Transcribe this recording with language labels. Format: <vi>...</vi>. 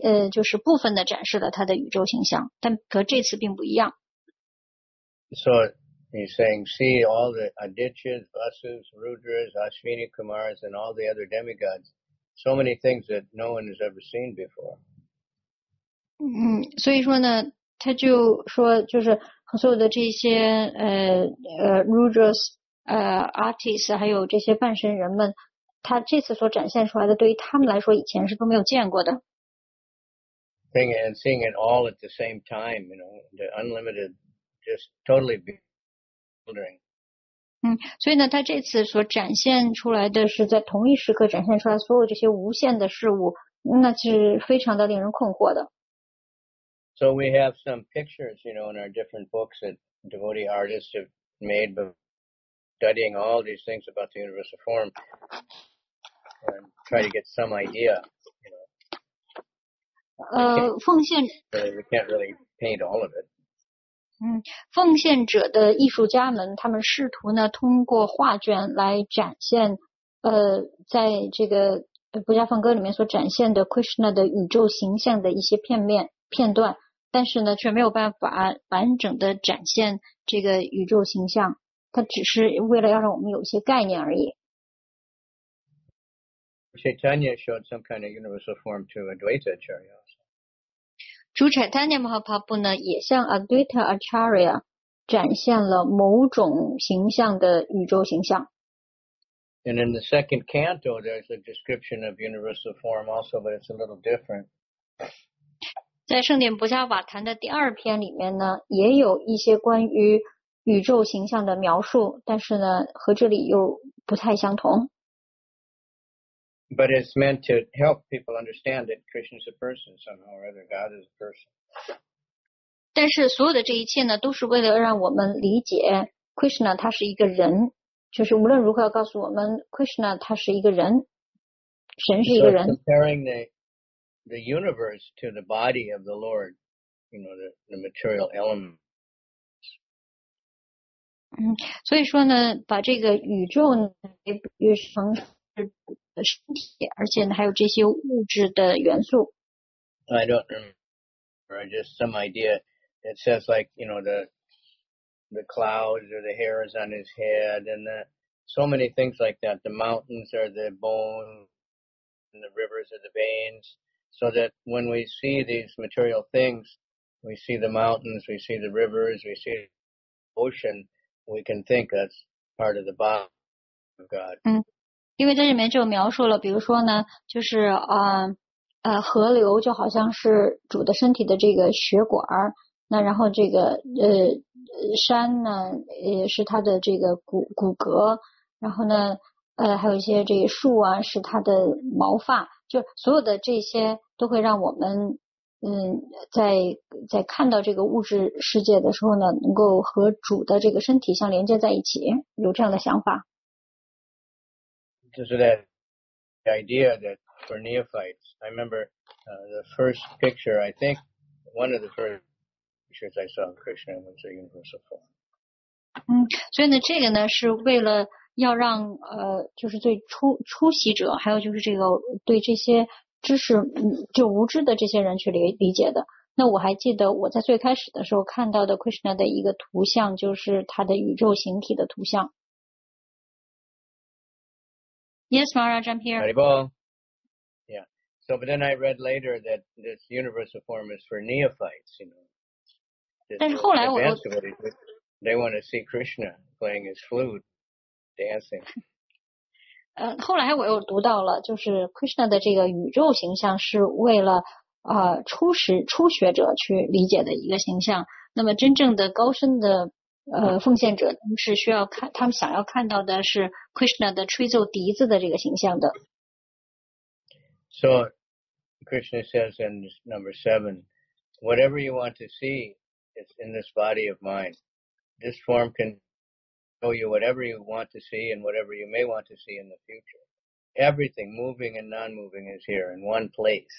<zh>就是部分的展示了他的宇宙形象，但和这次并不一样。</zh> <en>So he's saying, see all the Adityas, Vasus, Rudras, Ashwini Kumaras, and all the other demigods. So many things that no one has ever seen before.</en> <zh>所以说呢，他就说，就是和所有的这些Rudras, Artists， 还有这些半神人们。他这次所展现出来的对于他们来说以前是都没有见过的。</zh> <en>And seeing it all at the same time, you know, the unlimited, just totally bewildering.</en> <zh>所以呢他这次所展现出来的是在同一时刻展现出来所有这些无限的事物，那是非常的令人困惑的。</zh> <en>So we have some pictures, you know, in our different books that devotee artists have made before. Studying all these things about the universal form and try to get some idea. We can't really paint all of it.</en> <zh>奉献者的艺术家们，他们试图呢通过画卷来展现，在这个《布加梵歌》里面所展现的 Krishna 的宇宙形象的一些片面片段。但是呢，却没有办法完整的展现这个宇宙形象，它只是为了要让我们有一些概念而已。</zh> <en>Chaitanya showed some kind of universal form to Advaita Acharya.</en> <zh>主 Chaitanya Mahaprabhu 呢，也向 Advaita Acharya 展现了某种形象的宇宙形象。</zh> <en>And in the second canto, there's a description of universal form also, but it's a little different.</en> <zh>在圣典不加瓦坛的第二篇里面呢，也有一些关于宇宙形象的描述，但是呢，和这里又不太相同。</zh> <en>But it's meant to help people understand that Krishna is a person somehow or other. God is a person.</en> <zh>但是所有的这一切呢，都是为了让我们理解 Krishna 他是一个人，就是无论如何要告诉我们 Krishna 他是一个人，神是一个人。</zh> <en>So comparing the universe to the body of the Lord, you know, the material element.</en> <zh>所以说呢，把这个宇宙呢，比喻成身体，而且呢还有这些物质的元素。</zh> <en>I don't remember. Just some idea. It says like, you know, the clouds or the hairs on his head and the, so many things like that. The mountains are the bone and the rivers are the veins. So that when we see these material things, we see the mountains, we see the rivers, we see the ocean, we can think that's part of the body of God.</en> <zh>因为在这里面就描述了，比如说呢，就是河流就好像是主的身体的这个血管，那然后这个山呢也是它的这个骨骼，然后呢还有一些这个树啊是它的毛发，就所有的这些都会让我们在看到这个物质世界的时候呢，能够和主的这个身体相连接在一起，有这样的想法。</zh> <en>So that idea that for neophytes, I remember the first picture, I think one of the first pictures I saw of Krishna was a universal form.</en> <zh>所以呢，这个呢是为了要让就是对初习者，还有就是这个对这些知识就无知的这些人去理解的。那我还记得我在最开始的时候看到的 Krishna 的一个图像，就是他的宇宙形体的图像。</zh> <en>Yes, Maharaj, I'm here. Haribol. Yeah. So, but then I read later that this universal form is for neophytes, you know.</en> <zh>但是后来我</zh> <en>They want to see Krishna playing his flute, dancing.</en> <zh>后来我又读到了，就是 Krishna 的这个宇宙形象是为了初学者去理解的一个形象。那么真正的高深的奉献者是需要看，他们想要看到的是 Krishna 的吹奏笛子的这个形象的。</zh> <en>So Krishna says in number 7, whatever you want to see is in this body of mine. This form can show you whatever you want to see and whatever you may want to see in the future. Everything moving and non-moving is here in one place.</en>